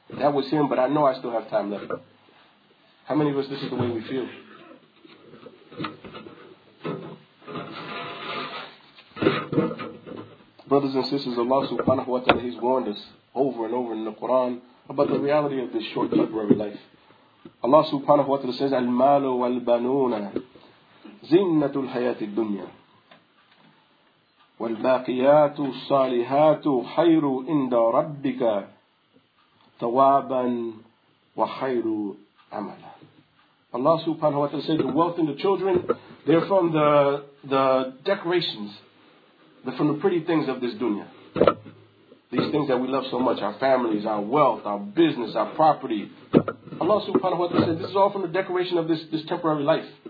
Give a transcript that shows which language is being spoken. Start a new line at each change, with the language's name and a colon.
English: That was him, but I know I still have time left. How many of us, this is the way we feel? Brothers and sisters, Allah subhanahu wa ta'ala, He's warned us over and over in the Quran about the reality of this short, temporary life. Allah subhanahu wa ta'ala says,
Arabic: Al-malu wal-banuna. زينة الحياة الدنيا والباقيات الصالحات خير عند ربك ثوابا وخير عملا.
English: Allah subhanahu wa ta'ala said, the wealth in the children, they're from the decorations, they're from the pretty things of this dunya. These things that we love so much, our families, our wealth, our business, our property. Allah subhanahu wa ta'ala said, this is all from the decoration of this temporary life.